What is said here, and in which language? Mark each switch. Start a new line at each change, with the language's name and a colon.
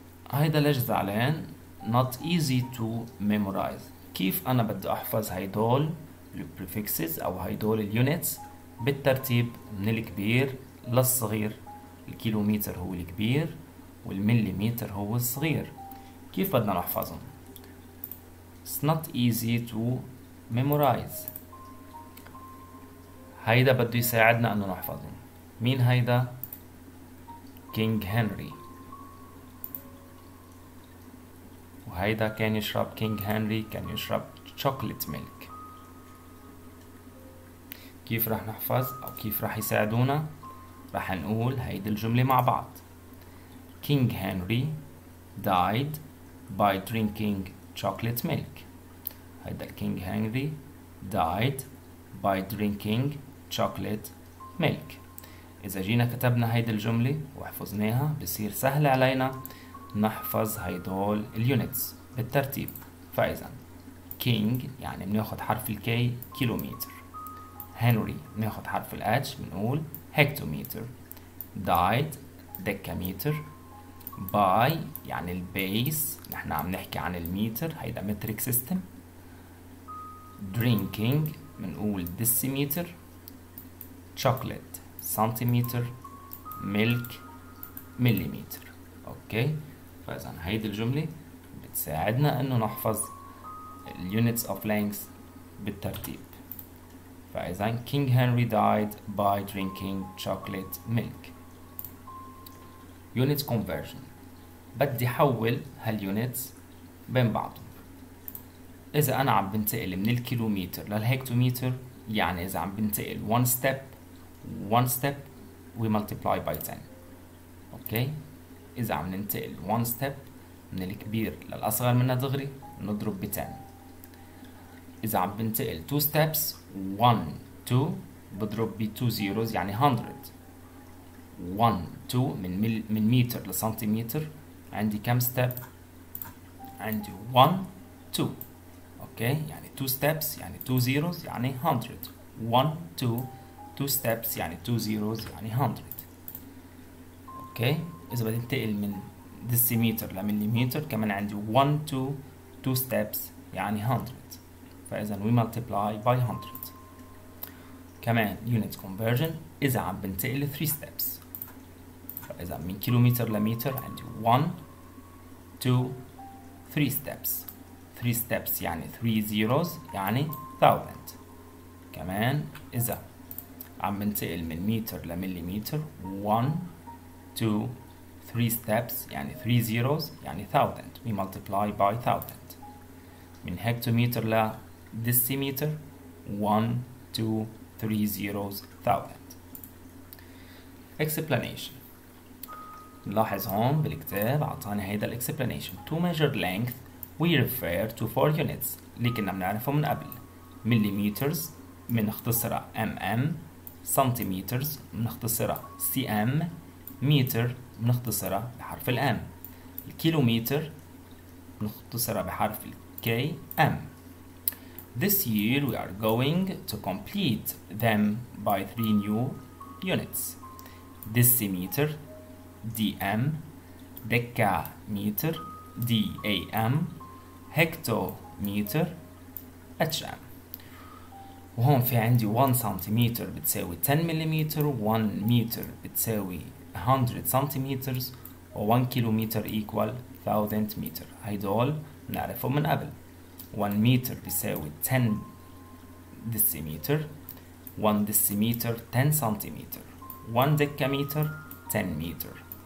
Arabic: هيدا لجزء علان
English: not easy to memorize.
Arabic: كيف انا بدي احفظ هيدول prefixes او هيدول units بالترتيب من الكبير للصغير؟ الكيلومتر هو الكبير والمليمتر هو الصغير، كيف بدنا نحفظهم؟
English: It's not easy to memorize.
Arabic: هيدا بده يساعدنا انه نحفظهم. مين هيدا؟ King Henry. هيدا كان يشرب، كينج هنري كان يشرب شوكليت ميلك. كيف رح نحفظ او كيف رح يساعدونا؟ رح نقول هيدي الجملة مع بعض.
English: King Henry died by drinking chocolate milk.
Arabic: هيدا
English: King Henry died by drinking chocolate milk.
Arabic: اذا جينا كتبنا هيدي الجملة وحفظناها بصير سهل علينا نحفظ هيدول اليونتس بالترتيب. فإذا كينج يعني بناخد حرف الكي كيلومتر، هنري بناخد حرف الاتش بنقول هكتومتر، دايت دكاميتر، باي يعني البيس نحن عم نحكي عن المتر هيدا متريك سيستم، درينكينج بنقول ديسيمتر، شوكليت سنتيمتر، ميلك مليمتر. اوكي فإذا هيدي الجملة ساعدنا انه نحفظ
English: units of length
Arabic: بالترتيب.
English: فإذا King Henry died by drinking chocolate milk.
Arabic: unit conversion بدي حول هاليونتس بين بعضهم. اذا انا عم بنتقل من الكيلومتر للهكتومتر يعني اذا عم بنتقل
English: one step we multiply by 10.
Arabic: اوكي اذا عم ننتقل one step من الكبير للأصغر منها دغري نضرب بتان. إذا عم بنتقل 2 steps 1-2 بضرب ب 2 zeros يعني 100. 1-2 من متر لسنتيمتر عندي كم step؟ عندي 1-2. أوكي يعني 2 steps يعني 2 zeros يعني 100. 1-2 2 steps يعني 2 zeros يعني 100. أوكي إذا بدي انتقل من ديسيمتر لمليمتر كمان عندي 1-2 2 steps يعني 100.
English: فإذا we multiply by 100.
Arabic: كمان unit conversion إذا عم بنتقل 3 steps فإذا من كيلومتر لمتر عندي 1-2 3 steps. 3 steps يعني 3 zeros يعني 1000. كمان إذا عم بنتقل من متر لمليمتر 1-2 3 steps يعني 3 zeros يعني 1000
English: we multiply by 1000.
Arabic: من هكتومتر ل ديسيمتر 1 2 3 zeros 1000. explanation لاحظ هون بالكتاب عطاني هيدا الاكسبلانيشن
English: to measure length we refer to four units
Arabic: اللي كنا بنعرفه من قبل millimeters بنختصرها mm centimeters بنختصرها cm meter بنختصرها بحرف ال m الكيلومتر بنختصرها بحرف ال km
English: This year we are going to complete them by three new units decimeter DM, decameter, DAM, hectometer, HM.
Arabic: وهون في عندي 1 سنتيمتر بتساوي 10 مليمتر, 1 متر بتساوي 100 سنتيمتر, و 1 كيلومتر equal 1000 متر. هيدول نعرفهم من قبل. 1 متر بيساوي 10 ديسيمتر, 1 ديسيمتر 10 سنتيمتر, 1 decameter 10 متر.